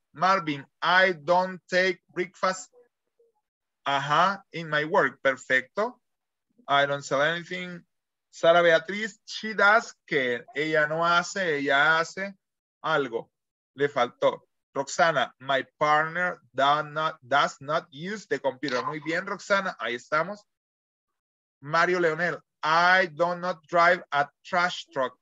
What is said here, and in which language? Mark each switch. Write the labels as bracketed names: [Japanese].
[English] Marvin, I don't take breakfast in my work. [Spanish] Perfecto. [English] I don't sell anything. [Spanish] Sara Beatriz, [English] she does, [Spanish] que ella no hace, ella hace algo. Le faltó. [English] Roxana, my partner does not use the computer. [Spanish] Muy bien, Roxana, ahí estamos. [English] Mario Leonel, I do not drive a trash truck.